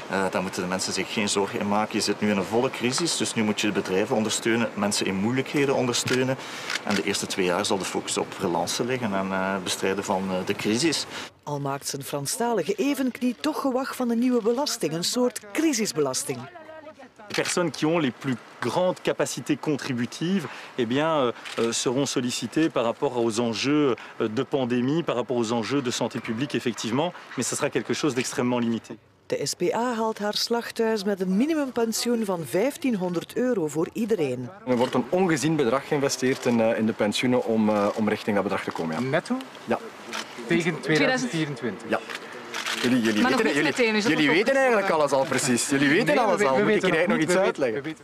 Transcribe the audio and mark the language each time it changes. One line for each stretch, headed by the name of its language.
Dutch: Daar moeten de mensen zich geen zorgen in maken. Je zit nu in een volle crisis, dus nu moet je de bedrijven ondersteunen, mensen in moeilijkheden ondersteunen. En de eerste twee jaar zal de focus op relance liggen en bestrijden van de crisis. Al maakt zijn Franstalige evenknie toch gewag van de nieuwe belasting, een soort crisisbelasting.
French: Personnes qui ont les plus grandes capacités contributives, eh bien, seront sollicitées par rapport aux enjeux de pandémie, par rapport aux enjeux de santé publique, effectivement. Mais ce sera quelque chose d'extrêmement limité.
Dutch: De SPA haalt haar slag thuis met een minimumpensioen van 1500 euro voor iedereen. Er wordt een ongezien bedrag geïnvesteerd in de pensioenen om richting dat bedrag te komen. Ja. Netto? Ja. Tegen 2024? Ja. Jullie weten eigenlijk alles al precies. Jullie weten alles al. Moet ik er nog iets uitleggen?